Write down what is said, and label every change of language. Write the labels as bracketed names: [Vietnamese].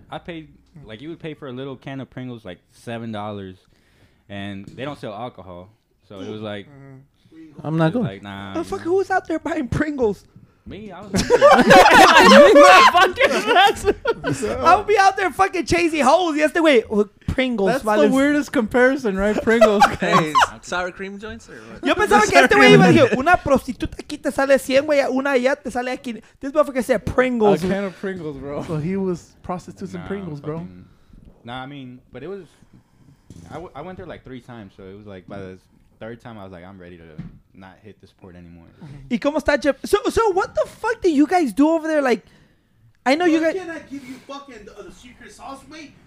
[English] I paid, like, you would pay for a little can of Pringles, like, $7, and they don't sell alcohol. So it was like, I'm not going. Like, nah. The fuck, who's out there buying Pringles? Me, I was I'll be out there fucking chasing holes yesterday. Wait, Pringles. That's the weirdest comparison, right? Pringles. Hey, sour cream joints or what? [Spanish] Yo pensaba que este wey iba a decir, una prostituta aquí te sale 100, wey, una allá te sale aquí. [English] This motherfucker said Pringles. A can of Pringles, bro. So he was prostitutes and Pringles, bro. Nah, I mean, but it was, I went there like 3 times, so it was like by the third time I was like, I'm ready to not hit this port anymore. [Spanish] ¿Y cómo está Jeff? [English] So what the fuck do you guys do over there? Like, I know you guys. Why can't I give you fucking the secret sauce, mate?